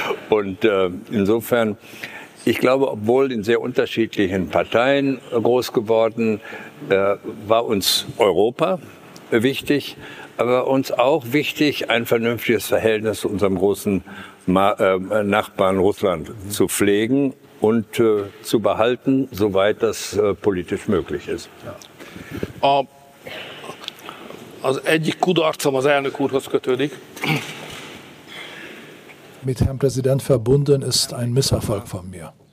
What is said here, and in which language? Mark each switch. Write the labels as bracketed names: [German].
[German] Und insofern, ich glaube, obwohl in sehr unterschiedlichen Parteien groß geworden, war uns Europa wichtig. Aber uns auch wichtig, ein vernünftiges Verhältnis zu unserem großen Nachbarn Russland zu pflegen und zu behalten, soweit das politisch möglich ist. Ja. [Hungarian] Az egyik kudarcom az elnök úrhoz kötődik. [German] Mit Herrn Präsident verbunden ist ein Misserfolg von mir.